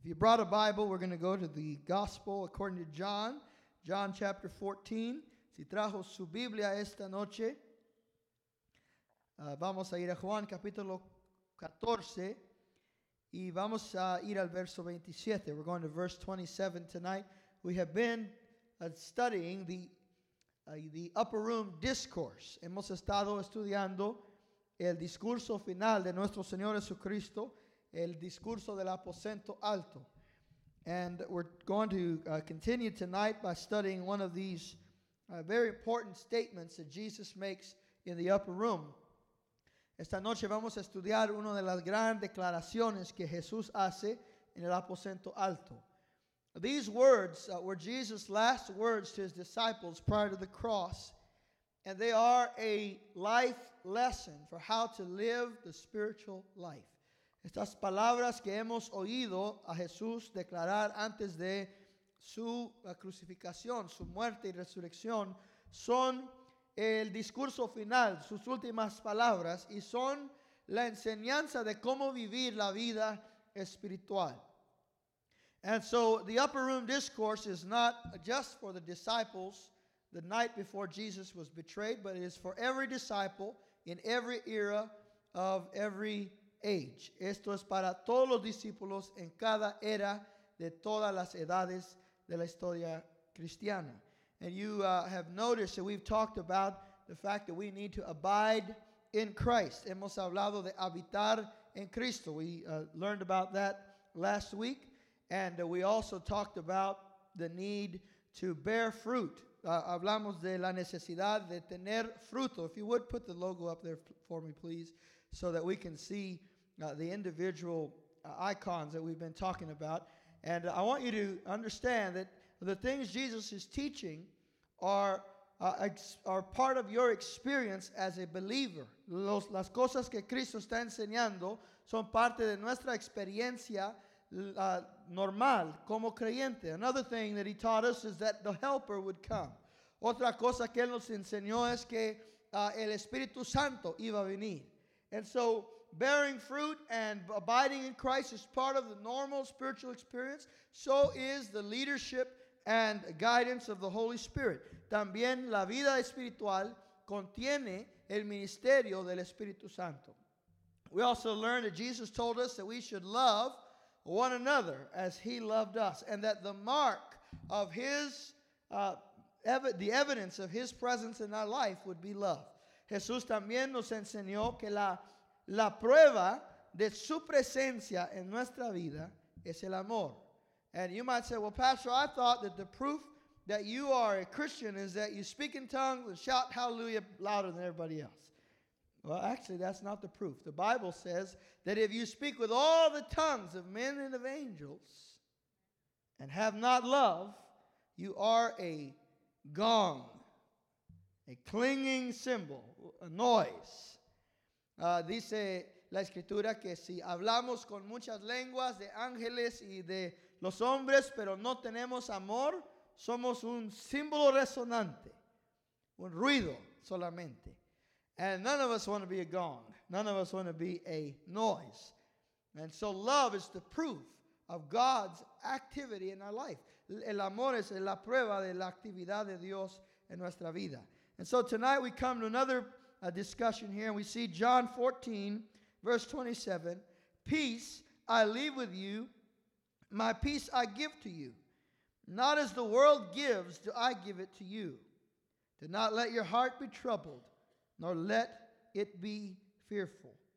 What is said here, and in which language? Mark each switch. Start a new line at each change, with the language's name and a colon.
English: You brought a Bible, we're going to go to the Gospel according to John, John chapter 14.
Spanish: Si trajo su Biblia esta noche, vamos a ir a Juan capítulo 14 y vamos a ir al verso 27.
English: We're going to verse 27 tonight. We have been studying the upper room discourse.
Spanish: Hemos estado estudiando el discurso final de nuestro Señor Jesucristo, el discurso del aposento alto.
English: And we're going to continue tonight by studying one of these very important statements that Jesus makes in the upper room.
Spanish: Esta noche vamos a estudiar una de las grandes declaraciones que Jesús hace en el aposento alto.
English: These words were Jesus' last words to his disciples prior to the cross, and they are a life lesson for how to live the spiritual life.
Spanish: Estas palabras que hemos oído a Jesús declarar antes de su crucificación, su muerte y resurrección, son el discurso final, sus últimas palabras, y son la enseñanza de cómo vivir la vida espiritual.
English: And so the upper room discourse is not just for the disciples the night before Jesus was betrayed, but it is for every disciple in every era of every age.
Spanish: Esto es para todos los discípulos en cada era de todas las edades de la historia cristiana.
English: And you have noticed that we've talked about the fact that we need to abide in Christ.
Spanish: Hemos hablado de habitar en Cristo.
English: We learned about that last week. And we also talked about the need to bear fruit.
Spanish: Hablamos de la necesidad de tener fruto.
English: If you would put the logo up there for me, please, so that we can see the individual icons that we've been talking about. And I want you to understand that the things Jesus is teaching are part of your experience as a believer.
Spanish: Las cosas que Cristo está enseñando son parte de nuestra experiencia normal como creyente.
English: Another thing that he taught us is that the helper would come.
Spanish: Otra cosa que él nos enseñó es que el Espíritu Santo iba a venir.
English: And so bearing fruit and abiding in Christ is part of the normal spiritual experience. So is the leadership and guidance of the Holy Spirit.
Spanish: También la vida espiritual contiene el ministerio del Espíritu Santo.
English: We also learned that Jesus told us that we should love one another as he loved us, and that the mark of his, the evidence of his presence in our life would be love.
Spanish: Jesús también nos enseñó que la prueba de su presencia en nuestra vida es el amor.
English: And you might say, well, Pastor, I thought that the proof that you are a Christian is that you speak in tongues and shout hallelujah louder than everybody else. Well, actually, that's not the proof. The Bible says that if you speak with all the tongues of men and of angels and have not love, you are a gong, a clinging cymbal, a noise.
Spanish: Dice la Escritura que si hablamos con muchas lenguas de ángeles y de los hombres, pero no tenemos amor, somos un símbolo resonante, un ruido solamente.
English: And none of us want to be a gong. None of us want to be a noise. And so love is the proof of God's activity in our life.
Spanish: El amor es la prueba de la actividad de Dios en nuestra vida.
English: And so tonight we come to another discussion here. And we see John 14, verse 27. Peace I leave with you, my peace I give to you. Not as the world gives, do I give it to you. Do not let your heart be troubled, nor let it be fearful.